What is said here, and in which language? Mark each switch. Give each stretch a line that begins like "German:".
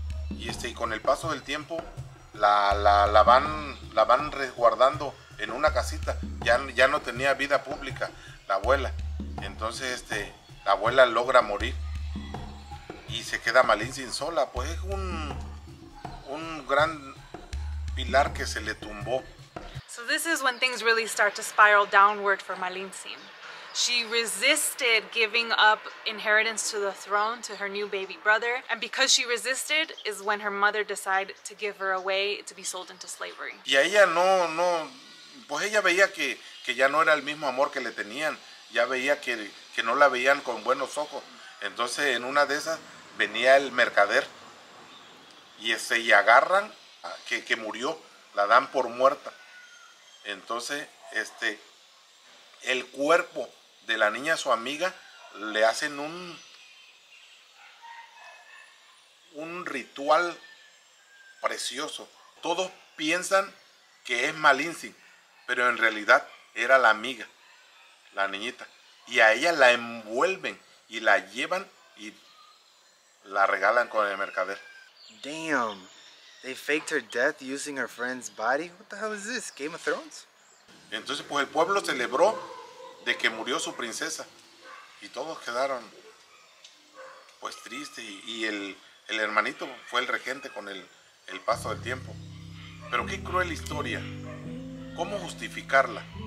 Spanish: Y con el paso del tiempo, la van resguardando en una casita. Ya no tenía vida pública la abuela. Entonces, la abuela logra morir. Y se queda Malintzin sola. Pues es un gran pilar que se le tumbó.
English: So this is when things really start to spiral downward for Malintzin. She resisted giving up inheritance to the throne to her new baby brother, and because she resisted is when her mother decided to give her away to be sold into slavery.
Spanish: Y a ella no, pues ella veía que ya no era el mismo amor que le tenían, ya veía que no la veían con buenos ojos. Entonces en una de esas venía el mercader y agarran que murió, la dan por muerta. Entonces el cuerpo de la niña, su amiga, le hacen un ritual precioso. Todos piensan que es Malintzin, pero en realidad era la amiga, la niñita, y a ella la envuelven y la llevan y la regalan con el mercader.
English: Damn, they faked her death using her friend's body. What the hell is this? Game of Thrones?
Spanish: Entonces, pues el pueblo celebró de que murió su princesa y todos quedaron pues tristes, y el hermanito fue el regente con el paso del tiempo. Pero qué cruel historia. ¿Cómo justificarla?